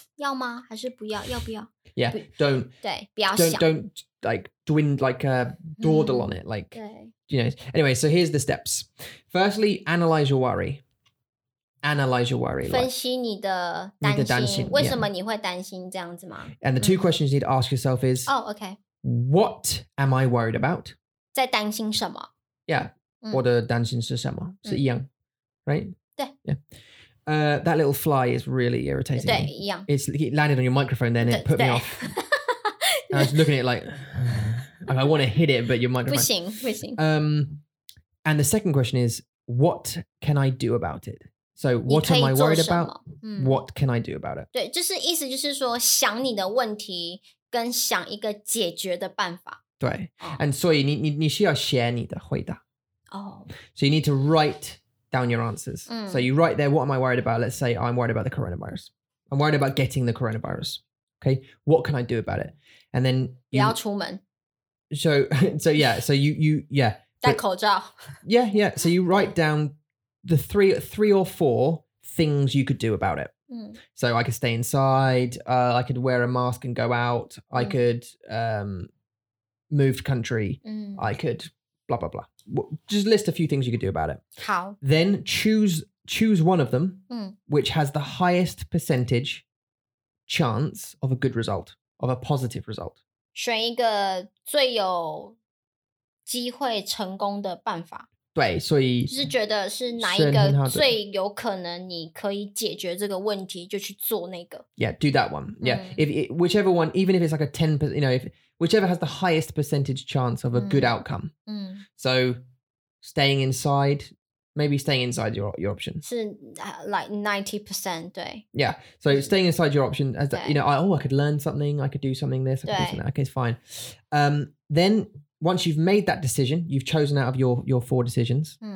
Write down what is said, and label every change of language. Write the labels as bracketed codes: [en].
[zh] 要吗？还是不要？要不要？ [en] Yeah, don't. [zh] 对，不要 [en] 想。Don't like dwindle, like dawdle on it. Like, [zh] 对。 [en] You know. Anyway, so here's the steps. Firstly, analyze your worry. Analyze your worry. [zh] 分析你的担心。担心为什么你会担心这样子吗 [en] And the two questions you need to ask yourself is, Oh, okay. What am I worried about? [zh] 在担心什么 Yeah, 我的担心是什么是一样 right? 对。 [en] Yeah. That little fly is really irritating. [zh] 对，一样。 [en] It's, it landed on your microphone then, it put me off. I was looking at it like, I want to hit it, but your microphone. [zh] 不行，不行。 [en] And the second question is, what can I do about it? So what am I worried about? What can I do about it? [zh] 对，就是意思就是说，想你的问题跟想一个解决的办法。对。 [en] And so you [zh] 需要写你的回答。哦。 [en] So you need to write down your answers. So you write there, what am I worried about? Let's say I'm worried about the coronavirus. I'm worried about getting the coronavirus. Okay. What can I do about it? And then [zh] you... 不要出门。 [en] So yeah, so you yeah. [zh] 戴口罩 [en] Yeah, yeah. So you write down the three or four things you could do about it. So I could stay inside. I could wear a mask and go out. I could move country. I could blah, blah, blah. Just list a few things you could do about it. How? Then choose one of them, which has the highest percentage chance of a good result, of a positive result. [zh] 选一个最有机会成功的办法对所以就是觉得是哪一个最有可能你可以解决这个问题就去做那个 [en] Yeah, do that one Yeah, if it, whichever one even if it's like a 10% you know, if, whichever has the highest percentage chance of a good outcome So staying inside maybe staying inside your option [zh] 是 like 90% 对 [en] Yeah, so staying inside your option as the, you know, I could learn something I could do something this I could do something that. Okay, it's fine Then Once you've made that decision, you've chosen out of your four decisions.